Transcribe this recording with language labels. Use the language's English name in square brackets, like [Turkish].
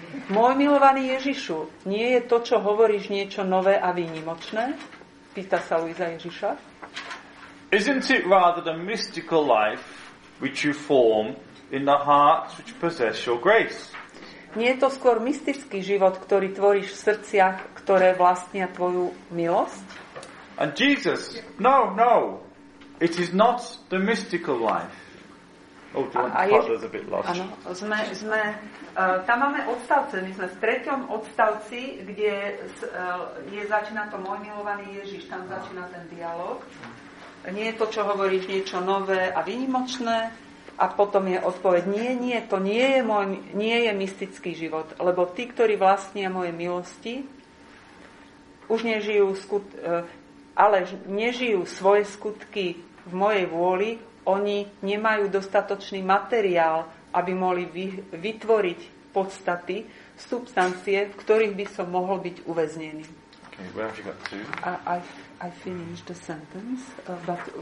[Slovak] Môj milovaný Ježišu, nie je to, čo hovoríš, niečo nové a výnimočné? Pýta sa Luisa Ježiša. [English] Isn't it rather the mystical life which you form in the hearts which possess your grace? [Slovak] Nie je to skôr mystický život, ktorý tvoríš v srdciach, ktoré vlastnia tvoju milosť? [English] And Jesus, no, no. It is not the mystical life. Oh, do you want to part a bit lost? [Slovak] Áno, sme tam máme odstavce, my sme v treťom odstavci, kde je začína to môj milovaný Ježiš, tam začína ten dialog. Nie je to, čo hovoríš, niečo nové a výnimočné. A potom je odpoveď, nie je mystický život, lebo tí, ktorí vlastnia moje milosti, už nežijú ale nežijú svoje skutky v mojej vôli, oni nemajú dostatočný materiál, aby mohli vytvoriť podstaty, substancie, v ktorých by som mohol byť uväznený. [English] Okay, where have you got to? I, I, I finish the sentence, but